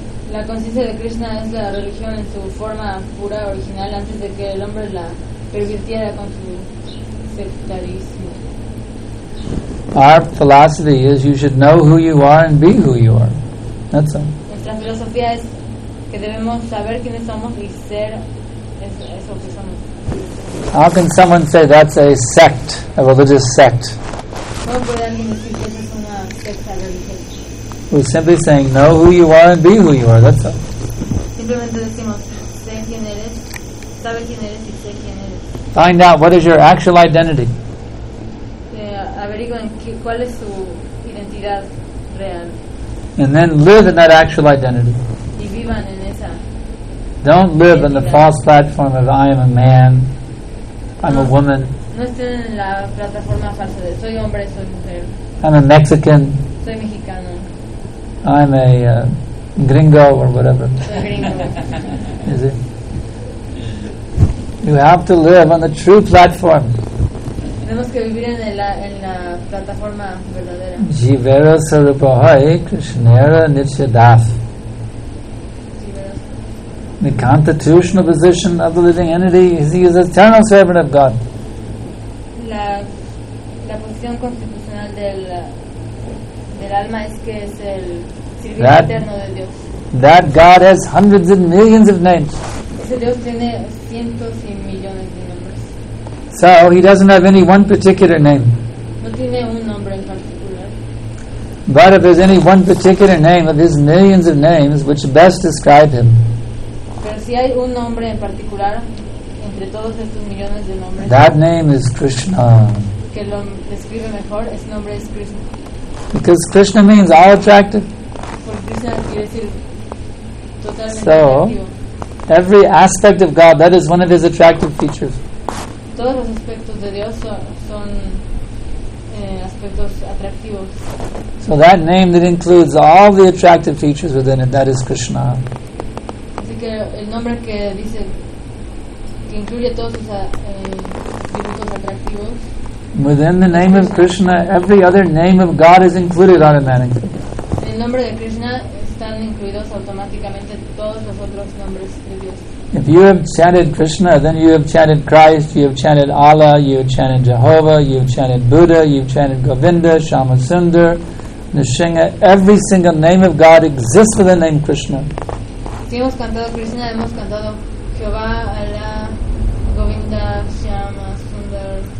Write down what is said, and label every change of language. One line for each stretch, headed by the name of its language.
Spanish: La conciencia de Krishna es la religión en su forma pura original antes de que el hombre la pervirtiera con su sectarismo.
English: Our philosophy is you should know who you are and be who you are. That's all.
Spanish: Nuestra filosofía es que debemos saber quiénes somos y ser eso que somos.
English: How can someone say that's a sect, a religious sect?
Spanish: ¿Cómo puede alguien decir que eso es una secta religiosa?
English: We're simply saying know who you are and be who you are. That's all.
Spanish: Simplemente decimos sé quién eres sabe quién eres y sé quién eres.
English: Find out what is your actual identity.
Spanish: Averiguen cuál es su identidad real.
English: And then live in that actual identity.
Spanish: Y vivan en esa.
English: Don't live in the false platform of I am a man, I'm a woman.
Spanish: No estén en la plataforma falsa de soy hombre, soy mujer.
English: I'm a Mexican.
Spanish: Soy mexicano.
English: I'm a gringo or whatever.
Spanish: Soy gringo.
English: Is it? You have to live on the true platform.
Spanish: Tenemos que vivir en la plataforma verdadera.
Bangla: Jivera Sarupahai Krishnera Nityadath.
English: The constitutional position of the living entity is he is an eternal servant of God.
Spanish: La posición constitucional del alma es que es el sirviente eterno de Dios.
English: That God has hundreds and millions of names.
Spanish: Ese Dios tiene cientos y millones de nombres.
English: So he doesn't have any one particular name.
Spanish: No tiene un nombre en particular.
English: But if there's any one particular name of his millions of names which best describe him.
Spanish: Pero si hay un nombre en particular entre todos estos millones de nombres,
English: that name is Krishna.
Spanish: Que lo describe mejor, ese nombre es Krishna.
English: Because Krishna means all attractive.
Spanish: Porque Krishna quiere decir totalmente
English: so,
Spanish: atractivo.
English: Every aspect of God, that is one of his attractive features.
Spanish: Todos los aspectos de Dios son aspectos atractivos.
English: So that name that includes all the attractive features within it, that is Krishna.
Spanish: Que el nombre que dice que incluye todos sus atributos atractivos.
English: Within the name of Krishna, every other name of God is included automatically.
Spanish: En el nombre de Krishna están incluidos automáticamente todos los otros nombres de Dios.
English: If you have chanted Krishna, then you have chanted Christ, you have chanted Allah, you have chanted Jehovah, you have chanted Buddha, you have chanted Govinda, Shama Sundar, Nishinga. Every single name of God exists within the name Krishna.
Spanish: Si hemos cantado Krishna, hemos cantado Jehová, Allah, Govinda, Shyama, Sundar.